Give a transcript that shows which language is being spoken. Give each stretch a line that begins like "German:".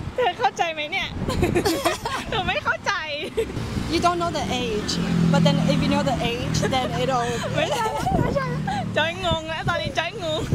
Thai: เธอเข้าใจมั้ยเนี่ยหนูไม่เข้าใจ
English: You don't know the age but then if you know the age then it'll
Thai: ไม่ใช่จ้อยงงแล้วตอนนี้จ้อยงง